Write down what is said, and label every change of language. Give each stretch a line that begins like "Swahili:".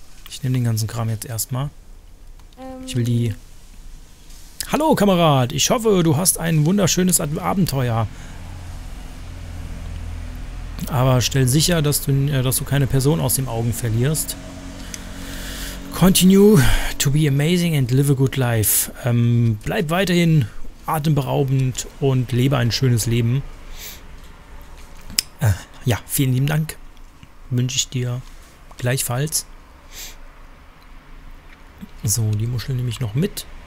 German: Ich nehme den ganzen Kram jetzt erstmal. Ich will die. Hallo, Kamerad. Ich hoffe, du hast ein wunderschönes Abenteuer. Aber stell sicher, dass du keine Person aus den Augen verlierst.
English: Continue to be amazing and live a good life.
German: Bleib weiterhin atemberaubend und lebe ein schönes Leben. Ja, vielen lieben Dank. Wünsche ich dir gleichfalls. So, die Muschel nehme ich noch mit.